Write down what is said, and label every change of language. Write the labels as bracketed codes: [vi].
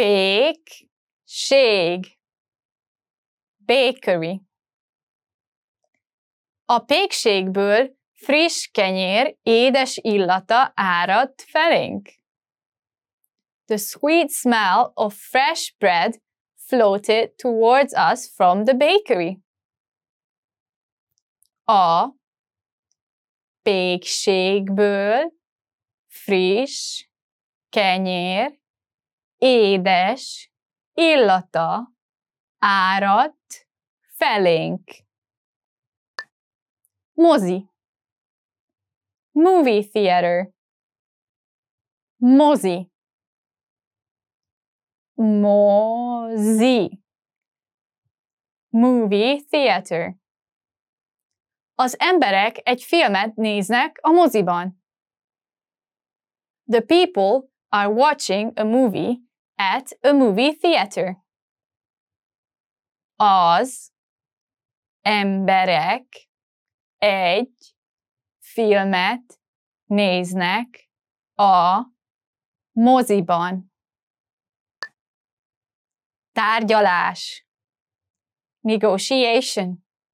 [hu] Pékség. Bakery. A pékségből friss kenyér édes illata áradt felénk. [en] The sweet smell of fresh bread floated towards us from the bakery. [hu] A pékségből friss kenyér édes illata áradt felénk. Mozi. [en] Movie theater. [hu] Mozi. [en] Mozi. Movie theater. [hu] Az emberek egy filmet néznek a moziban. [en] The people are watching a movie at a movie theater. [hu] Az emberek egy filmet néznek a moziban. Tárgyalás. Negotiation.